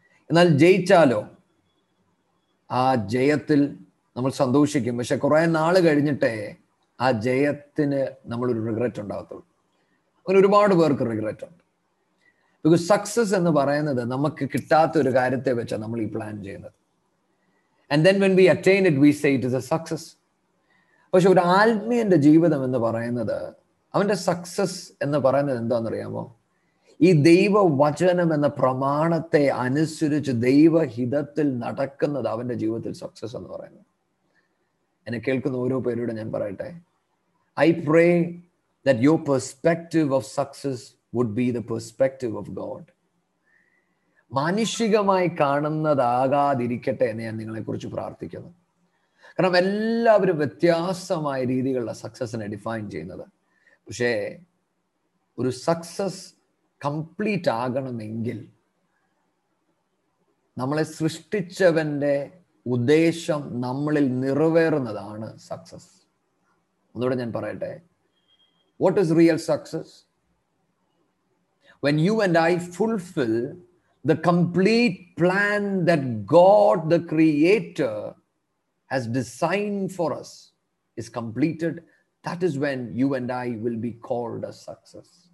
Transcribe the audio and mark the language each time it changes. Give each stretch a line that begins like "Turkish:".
Malayalam: എന്നാൽ ജയിച്ചാലോ, ആ ജയത്തിൽ നമ്മൾ സന്തോഷിക്കും. പക്ഷെ കുറേ നാൾ കഴിഞ്ഞിട്ടേ ആ ജയത്തിന് നമ്മളൊരു റിഗ്രറ്റ് ഉണ്ടാകത്തുള്ളൂ. അങ്ങനെ ഒരുപാട് പേർക്ക് റിഗ്രറ്റ് ഉണ്ട്. ബിക്കോസ് സക്സസ് എന്ന് പറയുന്നത് നമുക്ക് കിട്ടാത്ത ഒരു കാര്യത്തെ വെച്ചാണ് നമ്മൾ ഈ പ്ലാൻ ചെയ്യുന്നത്.
English: And then when we attain it, we say it is a success.
Malayalam: പക്ഷെ ഒരു ആത്മീയന്റെ ജീവിതം എന്ന് പറയുന്നത്, അവന്റെ സക്സസ് എന്ന് പറയുന്നത് എന്താണെന്നറിയാമോ, ഈ ദൈവവചനം എന്ന പ്രമാണത്തെ അനുസരിച്ച് ദൈവഹിതത്തിൽ നടക്കുന്നത് അവന്റെ ജീവിതത്തിൽ സക്സസ് എന്ന് പറയുന്നത്. എന്നെ കേൾക്കുന്ന ഓരോ പേരോട് ഞാൻ പറയട്ടെ,
English: I pray that your perspective of success would be the perspective of God.
Malayalam: മാനുഷികമായി കാണുന്നതാകാതിരിക്കട്ടെ എന്ന് ഞാൻ നിങ്ങളെ കുറിച്ച് പ്രാർത്ഥിക്കുന്നു. കാരണം എല്ലാവരും വ്യത്യാസമായ രീതികളിലെ സക്സസിനെ ഡിഫൈൻ ചെയ്യുന്നത്. പക്ഷേ ഒരു സക്സസ് കംപ്ലീറ്റ് ആകണമെങ്കിൽ നമ്മളെ സൃഷ്ടിച്ചവൻ്റെ ഉദ്ദേശം നമ്മളിൽ നിറവേറുന്നതാണ് സക്സസ്. ഒന്നുകൂടെ ഞാൻ പറയട്ടെ,
English: What is real success? When you and I fulfil the complete plan that God the creator has designed for us is completed, that is when you and I will be called a success.